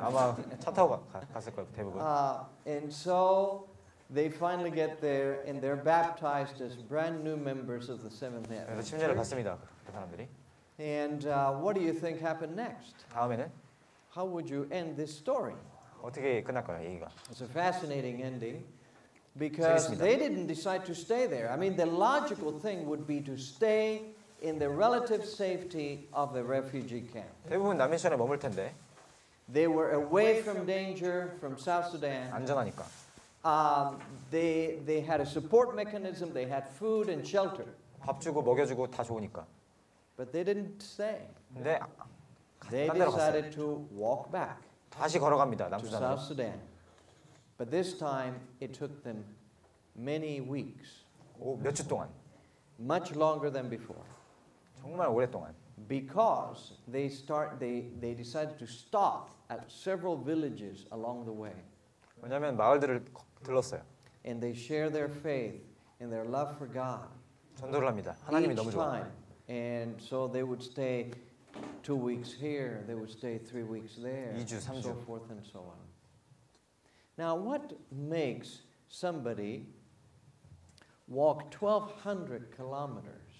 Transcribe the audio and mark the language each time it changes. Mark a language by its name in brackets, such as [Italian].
[Korean] 아마 차 타고 갔을 거예요, 대부분. [English] And so They finally get there and they're baptized as brand new members of the Seventh Day Adventist. [Korean] 침례를 받습니다. 그 사람들이. [English] And what do you think happened next? [Korean] 다음에는? [English] How would you end this story? [Korean] 어떻게 끝날 거야, 얘기가? [English] It's a fascinating ending. Because they didn't decide to stay there. I mean, the logical thing would be to stay in the relative safety of the refugee camp. [Korean] 대부분 남미션에 머물 텐데. [English] They were away from danger from South Sudan. [Korean] 안전하니까. [English] They had a support mechanism. They had food and shelter. [Korean] 밥 주고 먹여주고 다 좋으니까. [English] But they didn't stay. [Korean] 네. [English] They decided to walk back. [Korean] 다시 걸어갑니다. 남수단으로. [English] To South Sudan. But this time it took them many weeks. [Korean] 오, 몇 주 동안. [English] Much longer than before. [Korean] 정말 오랫동안. [English] Because they decided to stop at several villages along the way. [Korean] 왜냐면 마을들을 들렀어요. [English] And they share their faith and their love for God. [Korean] 전도를 합니다. 하나님이 너무 좋아요. [English] And so they would stay 2 weeks here, they would stay 3 weeks there. [Korean] 2주, 3주. [English] And so forth and so on. Now, what makes somebody walk 1,200 kilometers?